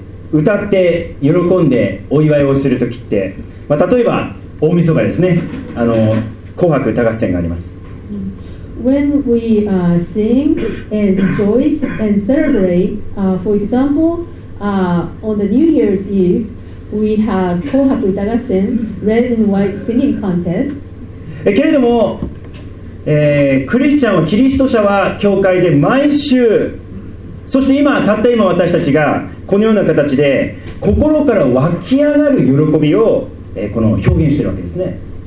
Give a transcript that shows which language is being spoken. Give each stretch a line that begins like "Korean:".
Japanese: 歌って喜んでお祝いをするときって、例えば大晦日ですね、紅白歌合戦があります。
English: When we sing and rejoice and celebrate, for example, on the New Year's Eve, we have 紅白歌合戦 Red and White Singing Contest.
Japanese: けれども、クリスチャンはキリスト者は教会で毎週、そして今たった今私たちがこのような形で心から湧き上がる喜びを、この表現しているわけですね。